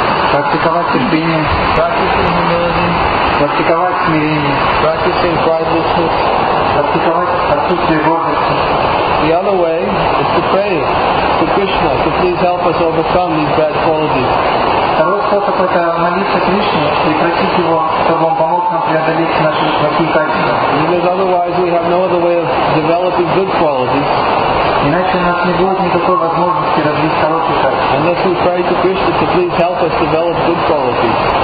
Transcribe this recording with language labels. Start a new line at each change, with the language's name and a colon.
Russian: Практиковать терпение, практиковать смирение, практиковать отсутствие гордости.
English: The other way is to pray to Krishna to please help us overcome these bad qualities.
Russian: Второй способ – это молиться Кришне и просить Его, чтобы Он помог нам преодолеть наши плохие качества.
English: Because otherwise we have no other way of developing good qualities.
Russian: Иначе у нас не будет никакой возможности развить хорошие качества.
English: Unless we pray to Krishna to please help us develop good qualities.